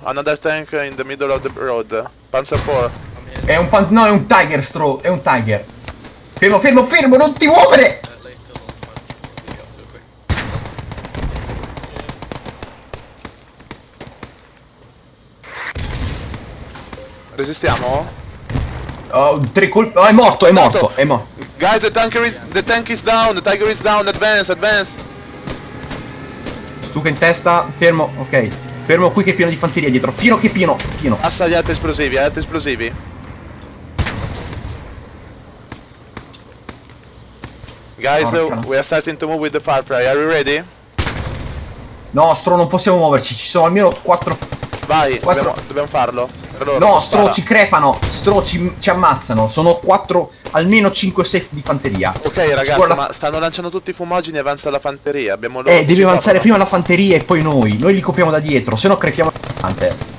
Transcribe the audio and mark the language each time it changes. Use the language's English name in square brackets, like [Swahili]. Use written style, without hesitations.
[English] Another tank in the middle of the road. Panzer 4. [Italian] È un Panzer, no, è un Tiger, Stro, è un Tiger. Fermo, fermo, fermo, non ti muovere! Resistiamo? Tre colpi... Oh, è morto! [English] Guys, the tank is down, the Tiger is down, advance, advance! [Italian] Stuka in testa, fermo, ok. Fermo qui che è pieno di fanteria dietro, fino che è pieno! Passa gli altri esplosivi, [English] Guys, we are starting to move with the Firefly, are you ready? [Italian] No, Stro, non possiamo muoverci, ci sono almeno 4... Vai, 4... dobbiamo farlo. Allora, no, Stro, ci crepano, Stro, ci ammazzano, sono 4, almeno 5 safe di fanteria. Ok, ragazzi, guarda... ma stanno lanciando tutti i fumogeni e avanza la fanteria, abbiamo loro... devi avanzare prima la fanteria e poi noi li copriamo da dietro, se no crepiamo la fante.